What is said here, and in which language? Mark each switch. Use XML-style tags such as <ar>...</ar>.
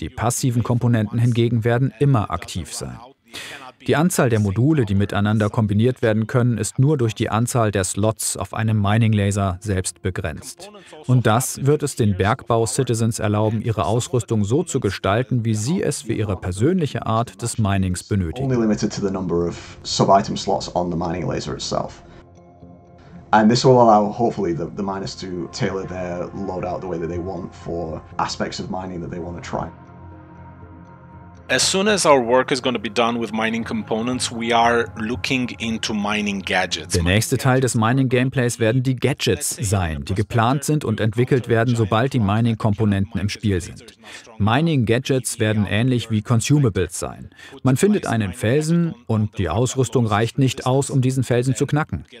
<de>Die passiven Komponenten hingegen werden immer aktiv sein. Die Anzahl der Module, die miteinander kombiniert werden können, ist nur durch die Anzahl der Slots auf einem Mining Laser selbst begrenzt. Und das wird es den Bergbau-Citizens erlauben, ihre Ausrüstung so zu gestalten, wie sie es für ihre persönliche Art des Minings benötigen.</de> <en>Only limited to the number of sub-item slots on the mining laser itself. And this will allow, hopefully, the miners to tailor their loadout the way that they want for aspects of mining that they want to try. As soon as our work is going to be done with mining components, we are looking into mining gadgets.</en> <de>Der nächste Teil des Mining Gameplays werden die Gadgets sein, die geplant sind und entwickelt werden, sobald die Mining Komponenten im Spiel sind. Mining Gadgets werden ähnlich wie Consumables sein. Man findet einen Felsen und die Ausrüstung reicht nicht aus, um diesen Felsen zu knacken.</de>